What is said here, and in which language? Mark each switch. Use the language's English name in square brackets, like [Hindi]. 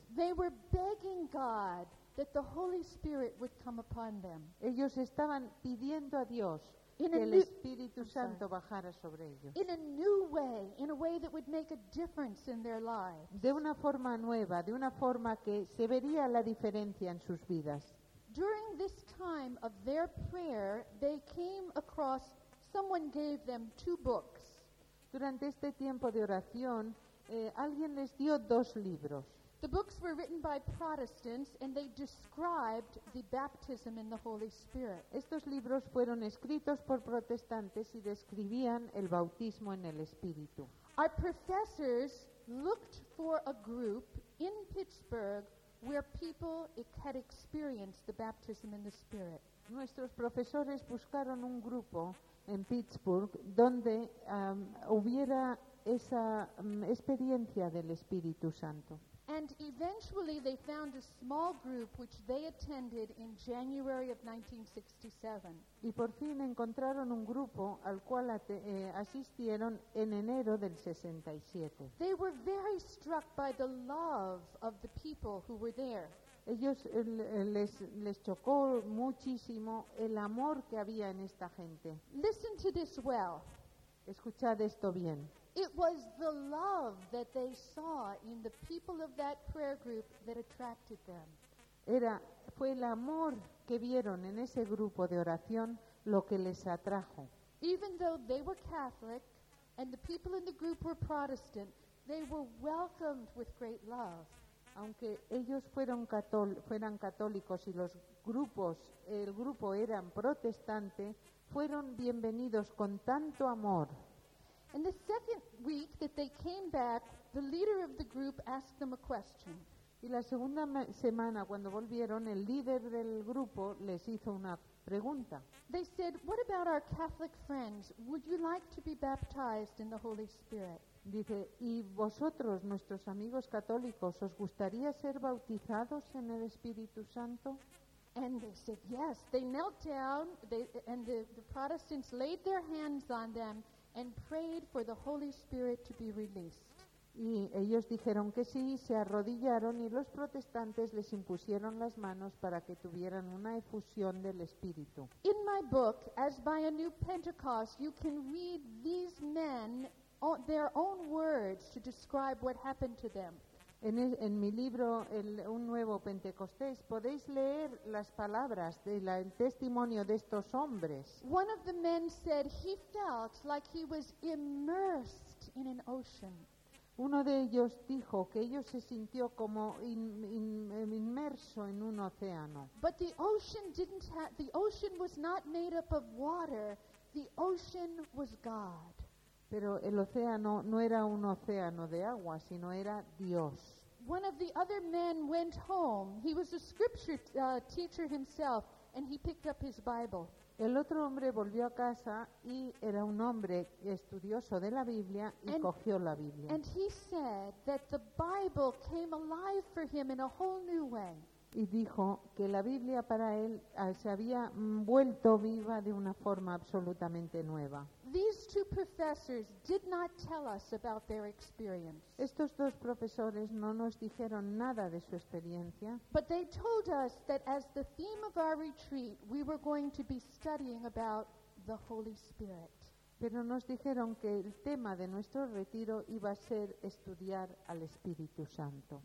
[English] They were begging God that the Holy Spirit would come upon them. [Spanish] Ellos estaban pidiendo a Dios que el Espíritu Santo bajara sobre ellos. [English] In a new way, in a way that would make a difference in their lives. [Spanish] De una forma nueva, de una forma que se vería la diferencia en sus vidas. [English] During this time of their prayer, they came across, someone gave them two books. [Spanish] Durante este tiempo de oración, alguien les dio dos libros. [English] The books were written by Protestants and they described the baptism in the Holy Spirit. [Spanish] Estos libros fueron escritos por protestantes y describían el bautismo en el Espíritu. [English] Our professors looked for a group in Pittsburgh where people had experienced the baptism in the Spirit. [Spanish] Nuestros profesores buscaron un grupo en Pittsburgh donde hubiera esa experiencia del Espíritu Santo. [English] And eventually they found a small group which they attended in January of 1967. [Spanish] Y por fin encontraron un grupo al cual asistieron en enero del 67. [English] They were very struck by the love of the people who were there. [Spanish] Ellos les chocó muchísimo el amor que había en esta gente. [English] Listen to this well. [Spanish] Escuchad esto bien. [English] It was the love that they saw in the people of that prayer group that attracted them. [Spanish] Fue el amor que vieron en ese grupo de oración lo que les atrajo. [English] Even though they were Catholic and the people in the group were Protestant, they were welcomed with great love. [Spanish] Aunque ellos fueran católicos y el grupo eran protestante, fueron bienvenidos con tanto amor. [English] In the second week that they came back, the leader of the group asked them a question. [Spanish] Y la segunda semana, cuando volvieron, el líder del grupo les hizo una pregunta. [English] They said, "What about our Catholic friends? Would you like to be baptized in the Holy Spirit?" [Spanish] Dice, "¿Y vosotros, nuestros amigos católicos, os gustaría ser bautizados en el Espíritu Santo?" [English] And they said, "Yes." They knelt down, the Protestants laid their hands on them and prayed for the Holy Spirit to be released. [Spanish] Y ellos dijeron que sí, se arrodillaron y los protestantes les impusieron las manos para que tuvieran una efusión del Espíritu. [English] In my book, As by a New Pentecost, you can read these men their own words to describe what happened to them. [Spanish] En mi libro, Un Nuevo Pentecostés, podéis leer las palabras del testimonio de estos hombres. [English] One of the men said he felt like he was immersed in an ocean. [Spanish] Uno de ellos dijo que ellos se sintió como inmerso en un océano. [English] But the ocean didn't have, the ocean was not made up of water. The ocean was God. [Spanish] Pero el océano no era un océano de agua, sino era Dios. [English] One of the other men went home. He was a scripture teacher himself, and he picked up his Bible. [Spanish] El otro hombre volvió a casa y era un hombre estudioso de la Biblia y cogió la Biblia. [English] And he said that the Bible came alive for him in a whole new way. [Spanish] Y dijo que la Biblia para él se había vuelto viva de una forma absolutamente nueva. [English] These two professors did not tell us about their experience. [Spanish] Estos dos profesores no nos dijeron nada de su experiencia. [English] But they told us that as the theme of our retreat, we were going to be studying about the Holy Spirit. [Spanish] Pero nos dijeron que el tema de nuestro retiro iba a ser estudiar al Espíritu Santo.